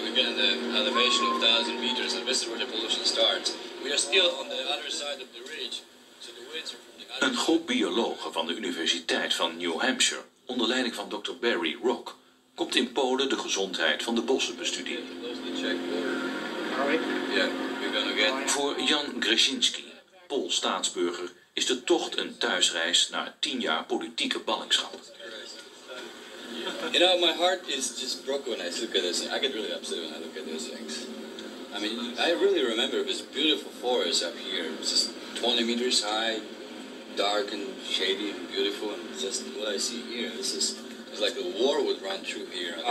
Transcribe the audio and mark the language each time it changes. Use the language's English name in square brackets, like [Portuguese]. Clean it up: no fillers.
[English] We've been at an elevation of 1,000 meters, and this is where the pollution starts. We are still on the other side of the ridge, so the winds are from the other. [Dutch] Een groep biologen van de Universiteit van New Hampshire, onder leiding van Dr. Barry Rock, komt in Polen de gezondheid van de bossen bestuderen. Voor Jan Grzeszynski, Pool staatsburger, is de tocht een thuisreis naar 10 jaar politieke ballingschap. [English] You know, my heart is just broken when I look at this. I get really upset when I look at these things. I mean, I really remember this beautiful forest up here. It's just 20 meters high, dark and shady and beautiful. And just what I see here, this is, it's like a war would run through here.